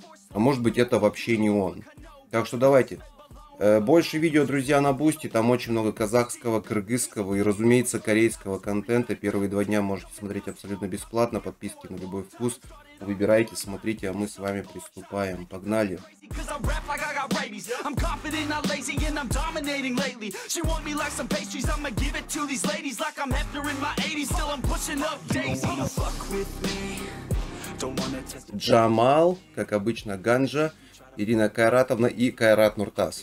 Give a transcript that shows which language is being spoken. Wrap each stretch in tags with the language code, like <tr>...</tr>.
<ru>А может быть, это вообще не он. Так что давайте. Больше видео, друзья, на Бусти, там очень много казахского, кыргызского и, разумеется, корейского контента. Первые 2 дня можете смотреть абсолютно бесплатно, подписки на любой вкус. Выбирайте, смотрите, а мы с вами приступаем. Погнали!</ru> <en>Cause I rap like I got rabies. I'm confident, not lazy, and I'm dominating lately. She want me like some pastries, I'ma give it to these ladies. Like I'm Hefner in my 80s, still I'm pushing up daisies. Don't wanna fuck with me.</en> <ru>Джамал, как обычно, Ганжа, Ирина Кайратовна и Кайрат Нуртас.</ru>